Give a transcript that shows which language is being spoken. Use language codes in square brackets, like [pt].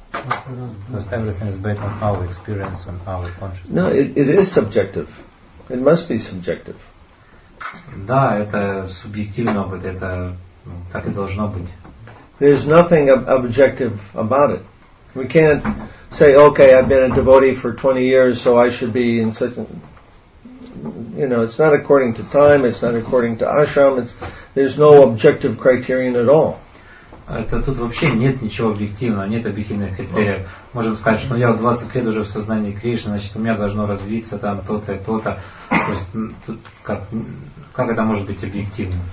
[en] Because everything is based on our experience, on our consciousness. No, it is subjective. It must be subjective. [ru] Да, это субъективно, [en] but [ru] это так и должно быть. [en] There's nothing objective about it. We can't say, okay, I've been a devotee for 20 years, so I should be in such a... You know, it's not according to time, it's not according to ashram, there's no objective criterion at all. [ru] Это тут вообще нет ничего объективного, нет объективных критериев. Можем сказать, что я 20 лет уже в сознании Кришны, значит, у меня должно развиться там то-то и то-то. То есть, тут как это может быть объективно?